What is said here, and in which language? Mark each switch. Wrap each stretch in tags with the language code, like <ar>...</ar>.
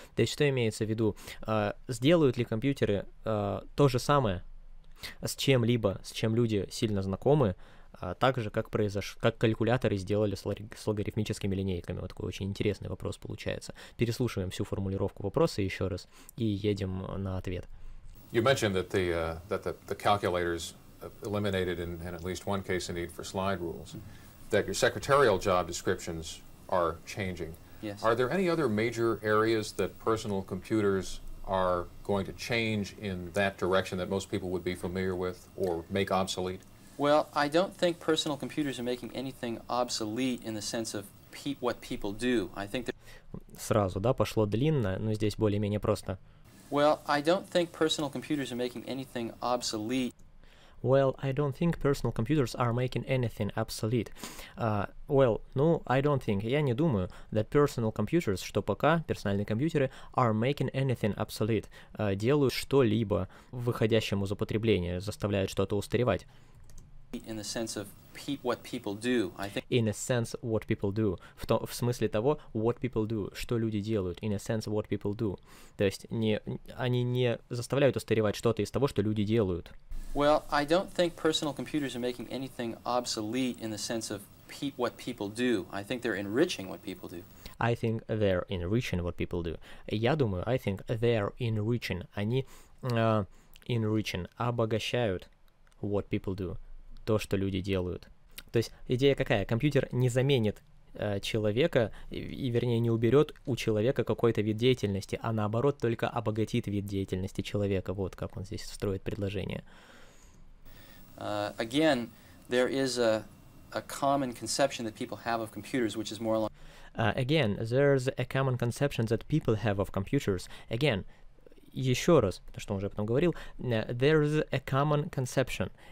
<ru>То есть что имеется в виду? Сделают ли компьютеры то же самое с чем-либо, с чем люди сильно знакомы, так же, как как калькуляторы сделали с логарифмическими линейками. Вот такой очень интересный вопрос получается. Переслушиваем всю формулировку вопроса еще раз и едем на ответ.</ru> <en>You mentioned that the calculators eliminated in at least one case the need for slide rules, that your secretarial job descriptions are changing. Yes. Are there any other major areas that personal computers are going to change in that direction that most people would be familiar with or make obsolete? Well, I don't think personal computers are making anything obsolete in the sense of what people do. I think that.</en> <ru>Сразу, да, пошло длинно, но здесь более-менее просто.</ru> <en>Well, I don't think personal computers are making anything obsolete. Well, I don't think personal computers are making anything obsolete. I don't think.</en> <ru>Я не думаю,</ru> <en>that personal computers,</en> <ru>что ПК, персональные компьютеры,</ru> <en>are making anything obsolete.</en> <ru>Делают что-либо выходящему из употребления, заставляют что-то устаревать.</ru> <en>In the sense of what people do, I think. In a sense, what people do.</en> <ru>В смысле того,</ru> <en>what people do,</en> <ru>что люди делают.</ru> <en>In a sense, what people do.</en> <ru>То есть они не заставляют устаревать что-то из того, что люди делают.</ru> <en>Well, I don't think personal computers are making anything obsolete in the sense of what people do. I think they're enriching what people do. I think they're enriching what people do.</en> <ru>Я думаю,</ru> <en>I think they're enriching.</en> <ru>Они</ru> <en>enriching,</en> <ru>обогащают</ru> <en>what people do.</en> <ru>То, что люди делают. То есть идея какая? Компьютер не заменит человека, вернее, не уберет у человека какой-то вид деятельности, а наоборот только обогатит вид деятельности человека. Вот как он здесь строит предложение.</ru> <en>Again, there is a common conception that people have of computers, which is more along... Again, there's a common conception that people have of computers. Again,</en> <ru>еще раз, то, что он уже потом говорил,</ru> <en>there's a common conception.</en>